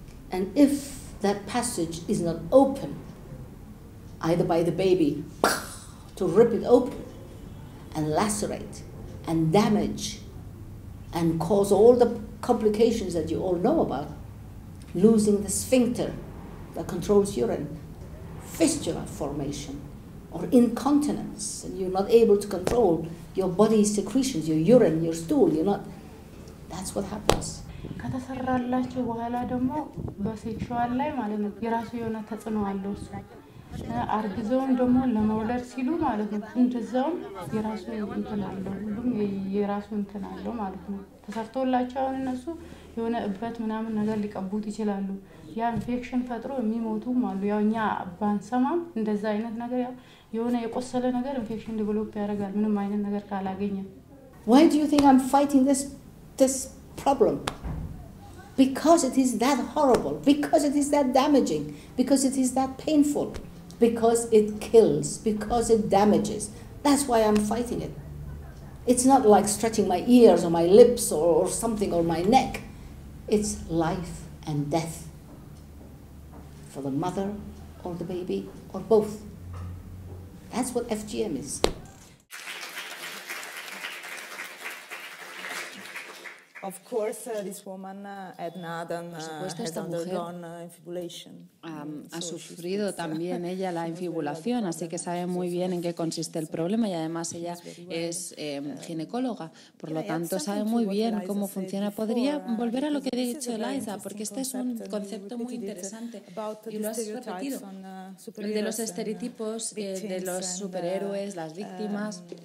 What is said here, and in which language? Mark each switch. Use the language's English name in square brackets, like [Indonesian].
[English] And if that passage is not open, either by the baby to rip it open and lacerate and damage and cause all the complications that you all know about, losing the sphincter that controls urine, fistula formation, or incontinence, and you're not able to control your body's secretions, your urine, your stool, you're not, that's what happens. [Amharic] ከተሰራላችሁ በኋላ ደግሞ በሴክሹዋል ላይ ማለት ነው የራሱ የሆነ ተጽዕኖ አለው እሱ አርግዘውም ደግሞ ለመውለድ ሲሉ ማለት ነው እንደዛውም የራሱ እንትን አለው ሁሉም የራሱ እንትን አለው ማለት ነው ተሰርቶላቸው አሁን እነሱ የሆነ እበት ምናምን ነገር ሊቀቡት ይችላሉ ያ ኢንፌክሽን ፈጥሮ የሚሞቱም አሉ ያው እኛ ባንሰማም እንደዛ አይነት ነገር ያው የሆነ የቆሰለ ነገር ኢንፌክሽን ዲቨሎፕ ያደርጋል ምንም አይነት ነገር ካላገኘ [English] Why do you think I'm fighting this problem? Because it is that horrible, because it is that damaging, because it is that painful, because it kills, because it damages. That's why I'm fighting it. It's not like stretching my ears or my lips or something or my neck. It's life and death for the mother or the baby or both. That's what FGM is. Of course, this woman had not done infibulation. [Spanish] Ha sufrido también ella la infibulación, así que sabe muy bien en qué consiste el problema y además ella es ginecóloga, por lo tanto sabe muy bien cómo funciona. Podría volver a lo que ha dicho Eliza, porque este es un concepto muy interesante y lo has repetido, el de los estereotipos de los superhéroes, las víctimas.